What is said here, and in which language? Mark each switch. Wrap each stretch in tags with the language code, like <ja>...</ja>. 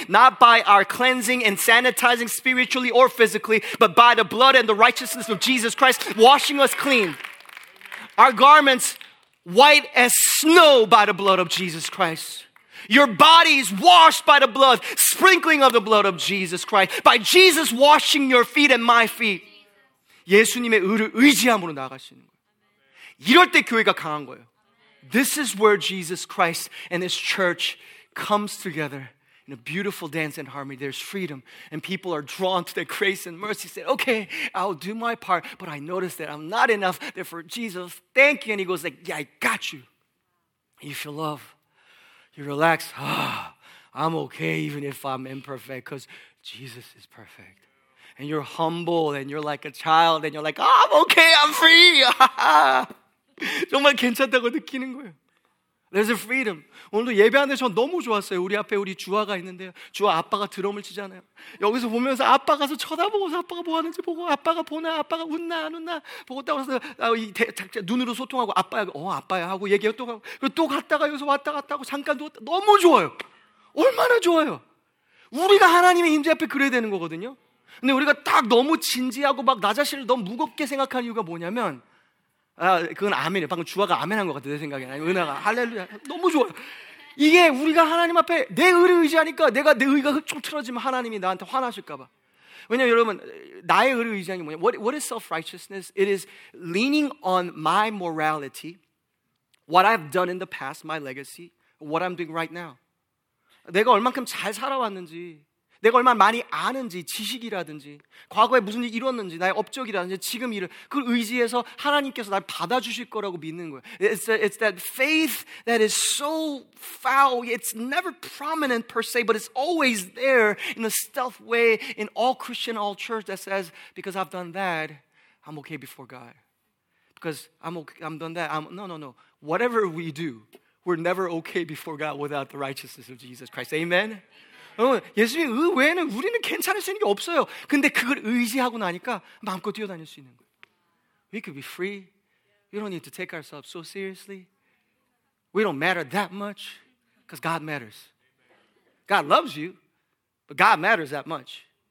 <en>Not by our cleansing and sanitizing spiritually or physically, but by the blood and the righteousness of Jesus Christ washing us clean. Our garments white as snow by the blood of Jesus Christ. Your body is washed by the blood, sprinkling of the blood of Jesus Christ, by Jesus washing your feet and my feet.</en> <ko>예수님의 의를 의지함으로 나아갈 수 있는 거예요. 이럴 때 교회가 강한 거예요.</ko> <en>This is where Jesus Christ and his church comes together in a beautiful dance and harmony. There's freedom and people are drawn to the grace and mercy. Say, okay, I'll do my part, but I notice that I'm not enough. Therefore, Jesus, thank you. And he goes like, yeah, I got you. You feel love. You relax. Ah, I'm okay even if I'm imperfect because Jesus is perfect. And you're humble and you're like a child and you're like, oh, I'm okay, I'm free.</en> <ko>정말 괜찮다고 느끼는 거예요.</ko> <en>There's a freedom.</en> <ko>오늘도 예배하는데 전 너무 좋았어요. 우리 앞에 우리 주아가 있는데요. 주아 아빠가 드럼을 치잖아요. 여기서 보면서 아빠가 서 쳐다보고서 아빠가 뭐 하는지 보고 아빠가 보나 아빠가 웃나 안 웃나 보고 있다고 해서 눈으로 소통하고 아빠야 어 아빠야 하고 얘기하고 또 가고 그리고 또 갔다가 여기서 왔다 갔다 하고 잠깐 누웠다 너무 좋아요. 얼마나 좋아요. 우리가 하나님의 임재 앞에 그래야 되는 거거든요. 근데 우리가 딱 너무 진지하고 막 나 자신을 너무 무겁게 생각하는 이유가 뭐냐면 아, 그건 아멘이에요. 방금 주아가 아멘한 것 같아요. 내 생각에는 아니, 은하가 할렐루야 너무 좋아요. 이게 우리가 하나님 앞에 내 의를 의지하니까 내가 내 의가 좀 틀어지면 하나님이 나한테 화나실까 봐. 왜냐면 여러분 나의 의를 의지하는 게 뭐냐,</ko> <en>what is self-righteousness? It is leaning on my morality, what I've done in the past, my legacy, what I'm doing right now.</en> <ko>내가 얼만큼 잘 살아왔는지, 내가 얼마나 많이 아는지, 지식이라든지, 과거에 무슨 일이 일었는지, 나의 업적이라든지, 지금 일을, 그걸 의지해서 하나님께서 날 받아주실 거라고 믿는 거예요.</ko> <en>It's that faith that is so foul, it's never prominent per se, but it's always there in a stealth way in all Christian, all church that says, because I've done that, I'm okay before God. Because I'm okay, I've done that, no. Whatever we do, we're never okay before God without the righteousness of Jesus Christ. Amen?</en> <ko>여러분, 예수님의 의 외에는 우리는 괜찮을 수 있는 게 없어요. 근데 그걸 의지하고 나니까 마음껏 뛰어다닐 수 있는 거예요.</ko> <en>We could be free. We don't need to take ourselves so seriously. We don't matter that much because God matters. God loves you, but God matters that much.</en>